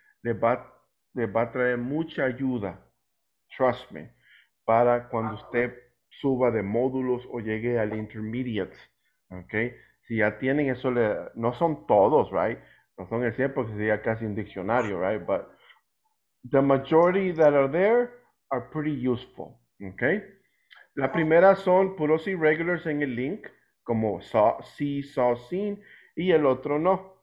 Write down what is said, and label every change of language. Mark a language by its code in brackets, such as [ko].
[es] Le va a traer mucha ayuda, [en] trust me, [es] para cuando usted suba de módulos o llegue al intermediate, okay? Si ya tienen eso, no son todos, right? No son el 100 porque sería casi un diccionario, right? [en] But the majority that are there are pretty useful, okay? [es] La primera son puros irregulars en el link, como saw, seen, y el otro no.